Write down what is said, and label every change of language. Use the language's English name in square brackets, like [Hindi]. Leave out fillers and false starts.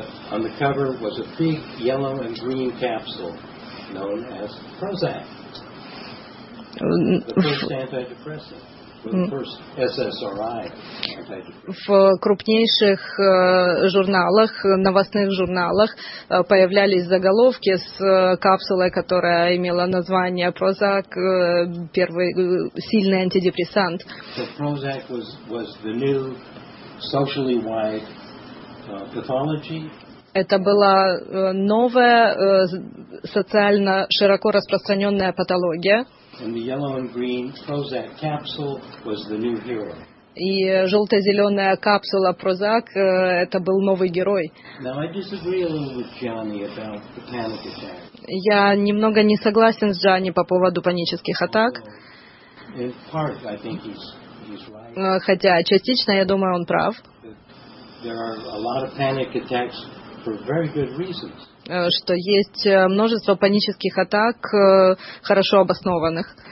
[English] On the cover was a big yellow and green capsule known as Prozac. The first antidepressant. [Russian] В крупнейших журналах, новостных журналах появлялись заголовки с капсулой, которая имела название Прозак, первый сильный антидепрессант. [English] Прозак was the new socially wide pathology. [Russian] Это была новая социально широко распространенная патология. [English] And the yellow and green Prozac capsule was the new hero. [Russian] И желто-зеленая капсула Прозак это был новый герой. [English] Now I disagree a little with Johnny about the panic attack. [Russian] Я немного не согласен с Джанни по поводу панических атак. [English] In part, I think he's right. [Russian] Хотя частично, я думаю, он прав. [English] There are a lot of panic attacks for very good reasons. [Russian] Что есть множество панических атак, хорошо обоснованных.